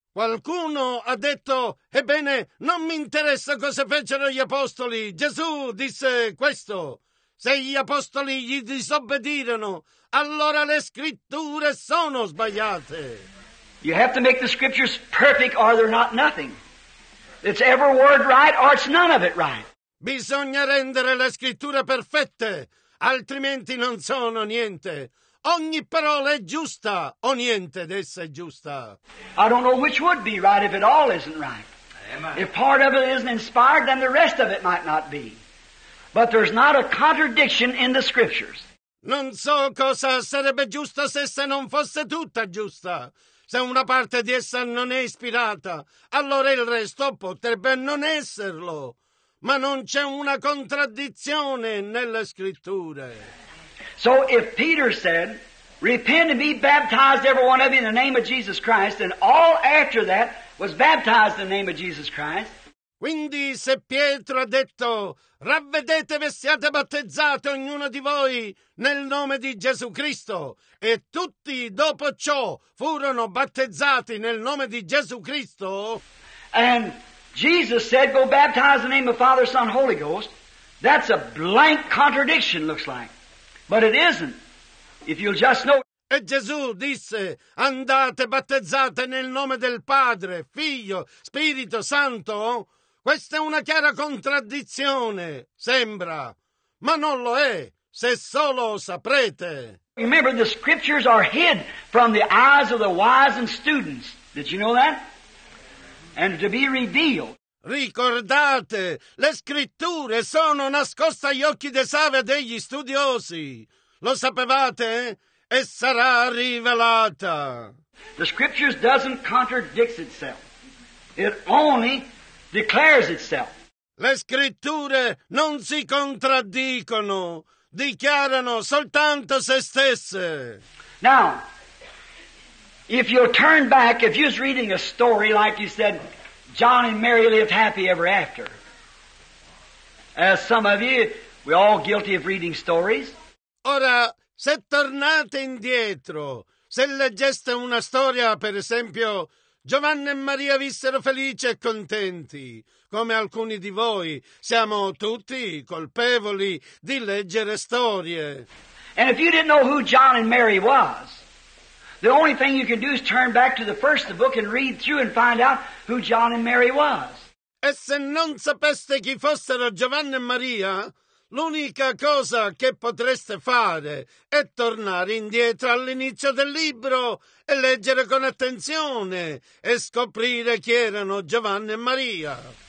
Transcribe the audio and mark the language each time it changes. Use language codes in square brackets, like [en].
[it] Qualcuno ha detto, ebbene, non mi interessa cosa fecero gli apostoli. Gesù disse questo. Se gli apostoli gli disobbedirono, allora le scritture sono sbagliate. [en] You have to make the scriptures perfect or they're not nothing. It's every word right or it's none of it right. [it] Bisogna rendere le scritture perfette, altrimenti non sono niente. Ogni parola è giusta o niente d'essa è giusta. [en] I don't know which would be right if it all isn't right. Amen. If part of it isn't inspired, then the rest of it might not be. But there's not a contradiction in the scriptures. [it] Non so cosa sarebbe giusta se non fosse tutta giusta. Se una parte di essa non è ispirata, allora il resto potrebbe non esserlo. Ma non c'è una contraddizione nelle scritture. [en] So if Peter said, repent and be baptized every one of you in the name of Jesus Christ, and all after that was baptized in the name of Jesus Christ. [it] Quindi se Pietro ha detto, ravvedetevi e siate battezzati ognuno di voi nel nome di Gesù Cristo, e tutti dopo ciò furono battezzati nel nome di Gesù Cristo. [en] And Jesus said, go baptize in the name of Father, Son, Holy Ghost. That's a blank contradiction, looks like. But it isn't, if you'll just know. [it] E Gesù disse, andate battezzate nel nome del Padre, Figlio, Spirito Santo. Questa è una chiara contraddizione, sembra, ma non lo è, se solo saprete. [en] Remember, the scriptures are hid from the eyes of the wise and students. Did you know that? And to be revealed. [it] Ricordate, le scritture sono nascoste agli occhi dei savi e degli studiosi. Lo sapevate? E sarà rivelata. [en] The scriptures doesn't contradict itself. It only declares itself. [it] Le scritture non si contraddicono, dichiarano soltanto se stesse. [en] Now, if you'll turn back, if you're reading a story like you said, John and Mary lived happy ever after. As some of you, we're all guilty of reading stories. [it] Ora, se tornate indietro, se leggeste una storia, per esempio, Giovanni e Maria vissero felici e contenti, come alcuni di voi, siamo tutti colpevoli di leggere storie. [en] And if you didn't know who John and Mary was, the only thing you can do is turn back to the first of the book and read through and find out who John and Mary was. [it] E se non sapeste chi fossero Giovanni e Maria, l'unica cosa che potreste fare è tornare indietro all'inizio del libro e leggere con attenzione e scoprire chi erano Giovanni e Maria.